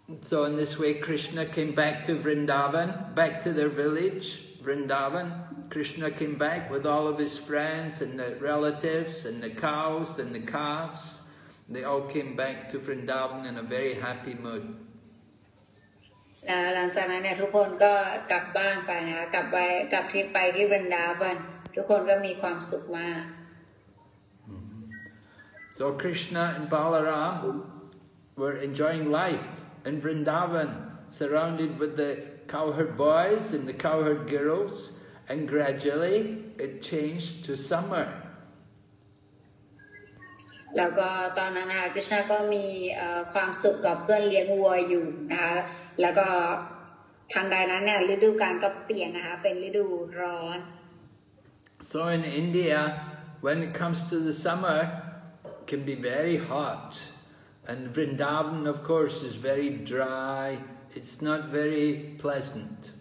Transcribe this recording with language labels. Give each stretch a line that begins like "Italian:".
English: So in this way Krishna came back to Vrindavan back to their village Vrindavan Krishna came back with all of his friends and the relatives and the cows and the calves they all came back to Vrindavan in a very happy mood
Thai: หลังจากนั้นเนี่ยทุกคนก็กลับบ้านไปนะกลับที่ไปที่บรรดาบันทุกคนก็มีความสุขมาก
English: So Krishna and Balaram were enjoying life in Vrindavan surrounded with the cowherd boys and the cowherd girls and gradually it changed to summer
Thai: แล้วก็ตอนนั้นนะคริชนาก็มีความสุขกับเพื่อนเลี้ยงวัวอยู่นะคะแล้วก็ทางใดนั้นเนี่ยฤดูกาลก็เปลี่ยนนะคะเป็นฤดูร้อน
English: So in India when it comes to the summer can be very hot and Vrindavan of course is very dry it's not very pleasant